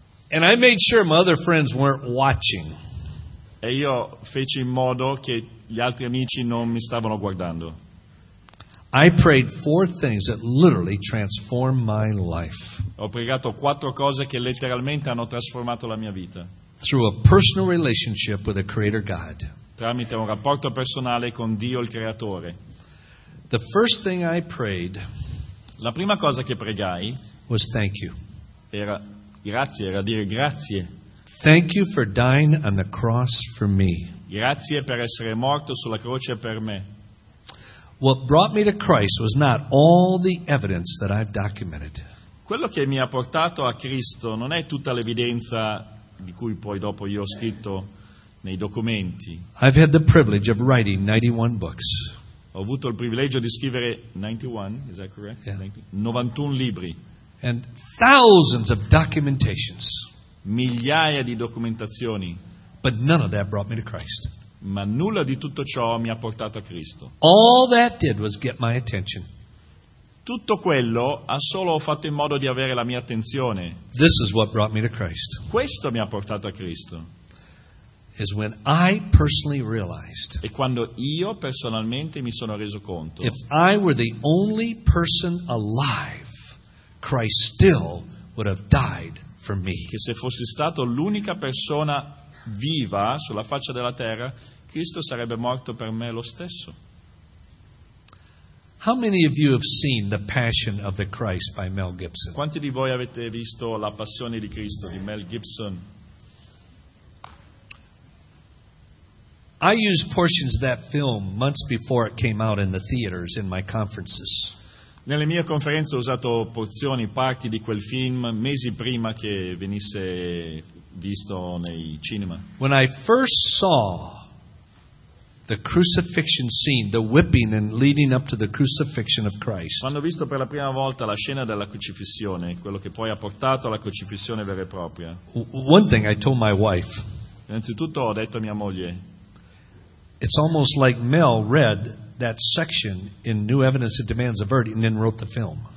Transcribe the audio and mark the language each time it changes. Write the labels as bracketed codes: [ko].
[en] And I made sure my other friends weren't watching. [it] E io feci in modo che gli altri amici non mi stavano guardando. [en] I prayed four things that literally transformed my life. [it] Ho pregato quattro cose che letteralmente hanno trasformato la mia vita. [en] Through a personal relationship with the Creator God. [it] Tramite un rapporto personale con Dio il Creatore. [en] The first thing I prayed. [it] La prima cosa che pregai [en] was thank you. [it] Era grazie, era dire grazie. [en] Thank you for dying on the cross for me. [it] Grazie per essere morto sulla croce per me. [en] What brought me to Christ was not all the evidence that I've documented. [it] Quello che mi ha portato a Cristo non è tutta l'evidenza di cui poi dopo io ho scritto nei documenti. [en] I've had the privilege of writing 91 books. [it] Ho avuto il privilegio di scrivere 91, [en] is that correct? Yeah. [it] 91 libri. [en] And thousands of documentations. [it] Migliaia di documentazioni. [en] But none of that brought me to Christ. [it] Ma nulla di tutto ciò mi ha portato a Cristo. [en] All that did was get my attention. [it] Tutto quello ha solo fatto in modo di avere la mia attenzione. [en] This is what brought me to Christ. [it] Questo mi ha portato a Cristo. [en] Is when I personally realized. [it] E quando io personalmente mi sono reso conto. [en] If I were the only person alive, Christ still would have died for me. [it] Che se fossi stato l'unica persona viva sulla faccia della terra, Cristo sarebbe morto per me lo stesso. [en] How many of you have seen The Passion of the Christ by Mel Gibson? [it] Quanti di voi avete visto La Passione di Cristo di Mel Gibson? [en] I used portions of that film months before it came out in the theaters in my conferences. [it] Nelle mie conferenze ho usato porzioni, parti di quel film mesi prima che venisse visto nei cinema. [en] When I first saw the crucifixion scene, the whipping and leading up to the crucifixion of Christ. [it] Quando ho visto per la prima volta la scena della crocifissione, quello che poi ha portato alla crocifissione vera e propria. [en] One thing I told my wife. [it] Innanzitutto ho detto a mia moglie. [en] It's almost like Mel read that section in New Evidence That Demands a Verdict and then wrote the film.